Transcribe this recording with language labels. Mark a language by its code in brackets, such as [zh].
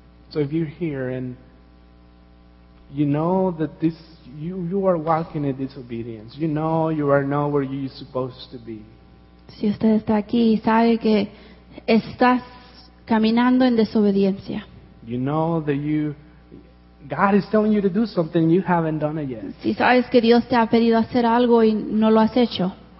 [en] So if you're here and you know that this you are walking in disobedience, you know you are not where you're supposed to be. [es] Si usted está aquí y sabe que estás caminando en desobediencia. [en] You know that God is telling you to do something and you haven't done it yet. [es] Si sabes que Dios te ha pedido hacer algo y no lo has hecho.